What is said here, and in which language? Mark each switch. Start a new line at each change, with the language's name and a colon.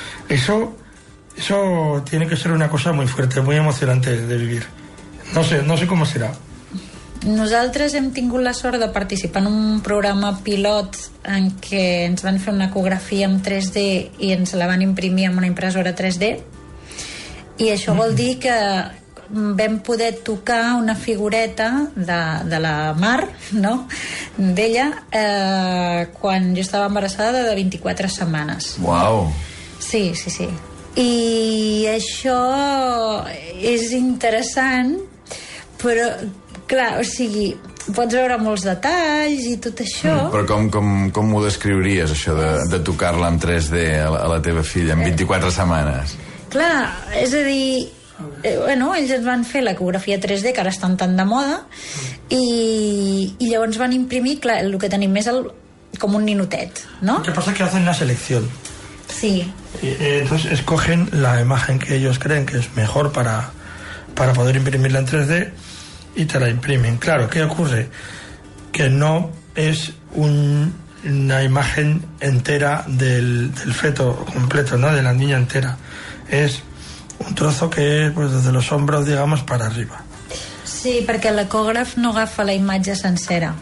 Spanish: Eso tiene que ser una cosa muy fuerte, muy emocionante de vivir. No sé cómo será.
Catalan: Nosaltres hem tingut la sort de participar en un programa pilot en què ens van fer una ecografia en 3D i ens la van imprimir amb una impressora 3D, i això vol dir que vam poder tocar una figureta de la Mar, no?, d'ella, quan jo estava embarassada de 24 setmanes. Uau! Sí, sí, sí. I això és interessant, però, clar, o sigui, pots veure molts detalls i tot això... Però com ho descriuries, això de tocar-la en 3D a la teva filla en 24 setmanes? Clar, és a dir... bueno, ells ens van fer l'ecografia 3D, que ara estan tan de moda, i llavors van imprimir, clar, el que tenim és com un ninotet, no? El que passa és que hacen la selecció. Sí.
Spanish: Entonces escogen la imagen que ellos creen que es mejor para poder imprimirla en 3D y te la imprimen. Claro, ¿qué ocurre? Que no es una imagen entera del feto completo, ¿no? De la niña entera. Es un trozo que es pues desde los hombros, digamos, para arriba.
Catalan: Sí, perquè l'ecògraf no agafa la imatge sencera.